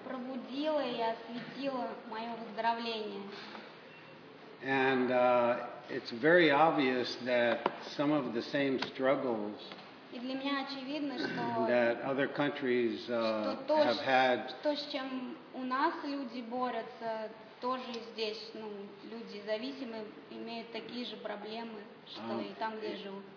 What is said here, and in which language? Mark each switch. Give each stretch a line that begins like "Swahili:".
Russian: Пробудило и осветило моё выздоровление.
English: And it's very obvious that some of the same struggles
Russian: и для меня очевидно, что
English: that other countries have had
Russian: то, с чем у нас люди борются. Тоже здесь, люди зависимые имеют такие же проблемы, что и там, где живут.